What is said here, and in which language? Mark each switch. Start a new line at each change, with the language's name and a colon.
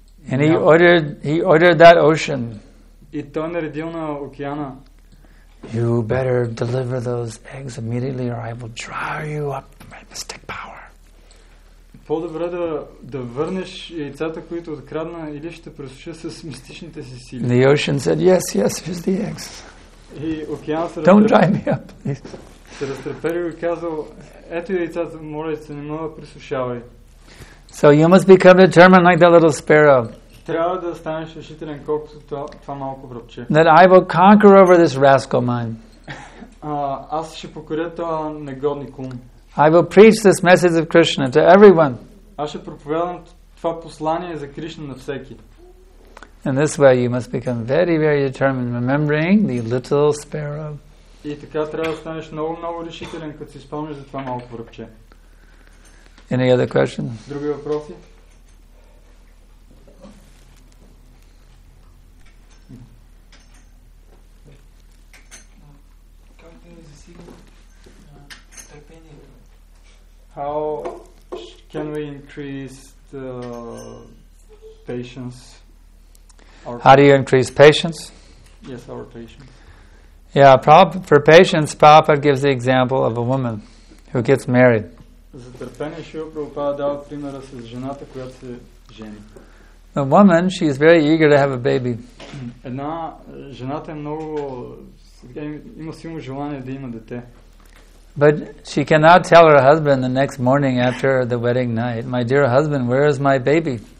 English: And he ordered that ocean.
Bulgarian: И той наредил на океана.
English: You better deliver those eggs immediately or I will dry you up with mystic power.
Bulgarian: По-добре да върнеш яйцата, които открадна, или ще пресуша с мистичните си сили.
English: The ocean said, yes, yes, here's the eggs.
Bulgarian: И океан се
English: Don't dry me up, please.
Bulgarian: Се разтреперил и казал, ето яйцата, моля се, не мога да пресушавай.
English: So you must become determined like that little sparrow.
Bulgarian: Трябва да станеш решителен колкото това малко връбче.
English: That I will conquer over this rascal mine.
Bulgarian: Аз ще покоря това негодник ум.
English: I will preach this message of Krishna to everyone.
Bulgarian: Аз ще проповядам това послание за Кришна на всеки.
English: And this way you must become very, very determined, remembering the little sparrow.
Bulgarian: И така трябва да станеш много, много решителен, като си спомнеш за това малко връбче.
English: Any other questions?
Bulgarian: Други въпроси? Как да засилим търпението?
English: How can we increase the patience? How do you increase patience? Yes, our patience. Yeah, for patience, Prabhupada gives the example of a woman who gets married.
Bulgarian: За търпение Шрила Прабхупада дава примера с жената, която се жени.
English: A woman, she is very eager to have a baby.
Bulgarian: Една жената е много, има силно желание да има дете.
English: But she cannot tell her husband the next morning after the wedding night, my dear husband, where is my baby?